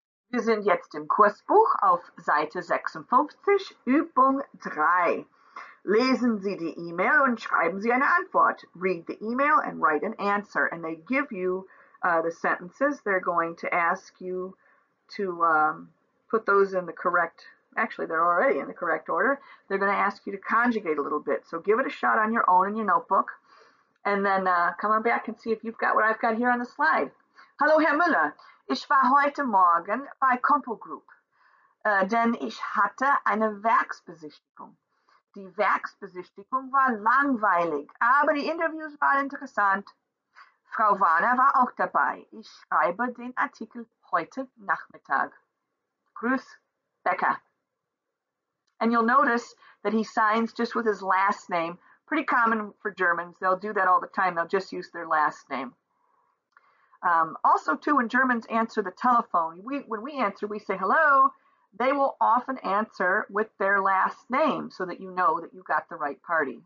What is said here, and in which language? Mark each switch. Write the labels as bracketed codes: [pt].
[de] Wir sind jetzt im Kursbuch auf Seite 56, Übung 3. Lesen Sie die E-Mail und schreiben Sie eine Antwort. [en] Read the email and write an answer. And they give you the sentences. They're going to ask you to put those in the correct, actually they're already in the correct order. They're going to ask you to conjugate a little bit. So give it a shot on your own in your notebook. And then come on back and see if you've got what I've got here on the slide. [de] Hallo Herr Müller, ich war heute Morgen bei Compo Group, denn ich hatte eine Werksbesichtigung. Die Werksbesichtigung war langweilig, aber die Interviews waren interessant. Frau Warner war auch dabei. Ich schreibe den Artikel heute Nachmittag. Grüß, Becker. [en] And you'll notice that he signs just with his last name. Pretty common for Germans. They'll do that all the time. They'll just use their last name. Also, too, when Germans answer the telephone, when we answer, we say hello, they will often answer with their last name so that you know that you got the right party.